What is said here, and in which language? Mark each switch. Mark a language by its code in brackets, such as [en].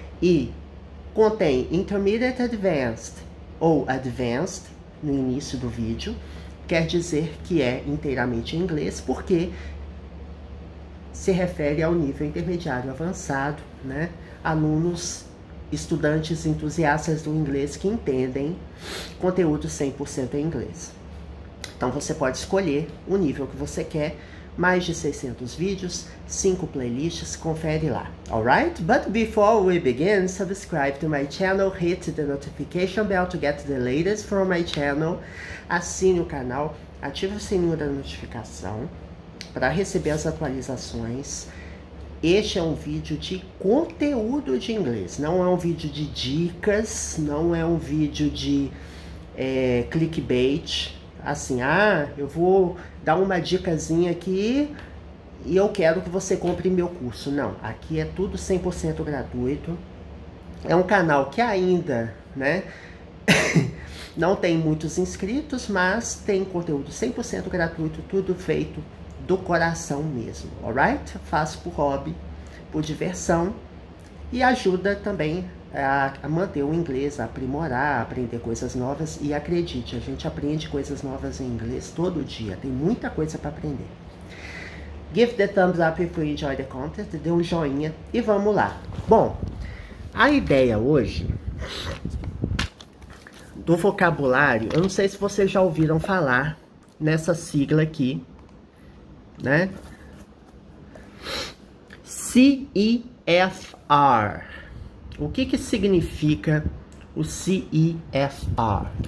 [pt] E contém intermediate advanced ou advanced no início do vídeo, quer dizer que é inteiramente em inglês, porque se refere ao nível intermediário avançado, né? Alunos, estudantes entusiastas do inglês que entendem conteúdo 100% em inglês. Então você pode escolher o nível que você quer, mais de 600 vídeos, 5 playlists, confere lá. [en] Alright? But before we begin, subscribe to my channel, hit the notification bell to get the latest from my channel. [pt] Assine o canal, ative o sininho da notificação para receber as atualizações. Este é um vídeo de conteúdo de inglês, não é um vídeo de dicas, não é um vídeo de clickbait. Assim, ah, eu vou dar uma dicasinha aqui e eu quero que você compre meu curso. Não, aqui é tudo 100% gratuito. É um canal que ainda, né, não tem muitos inscritos, mas tem conteúdo 100% gratuito, tudo feito do coração mesmo, alright? Faço por hobby, por diversão e ajuda também a manter o inglês, a aprimorar, a aprender coisas novas. E acredite, a gente aprende coisas novas em inglês todo dia. Tem muita coisa para aprender. [en] Give the thumbs up if you enjoy the content. [pt] Dê um joinha e vamos lá. Bom, a ideia hoje do vocabulário, eu não sei se vocês já ouviram falar nessa sigla aqui, né? CEFR. O que que significa o CEFR?